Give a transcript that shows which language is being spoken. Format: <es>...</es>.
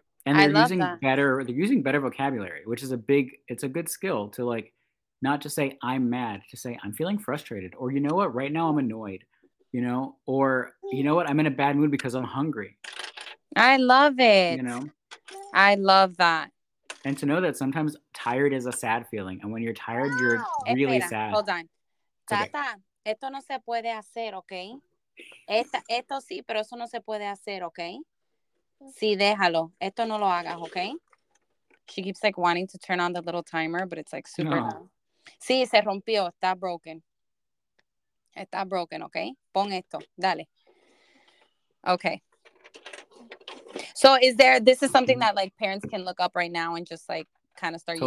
<en>And they're using better vocabulary, which is it's a good skill to like, not just say I'm mad, to say I'm feeling frustrated. Or you know what? Right now I'm annoyed. you know, or you know what? I'm in a bad mood because I'm hungry. I love it. You know, I love that. And to know that sometimes tired is a sad feeling. And when you're tired, you're really</en> <es>Espera,</es> <en>sad. Hold on.</en> <es>Tata, okay. Esto no se puede hacer, okay? Esto sí, pero eso no se puede hacer, okay? Sí, déjalo. Esto no lo hagas, okay?</es> <en>She keeps like wanting to turn on the little timer, but it's like super loud.</en> <es>Sí, se rompió. Está broken. Está broken, okay? Pon esto. Dale. Okay.</es> <en>So is there, this is something that like parents can look up right now and just like kind of start</en>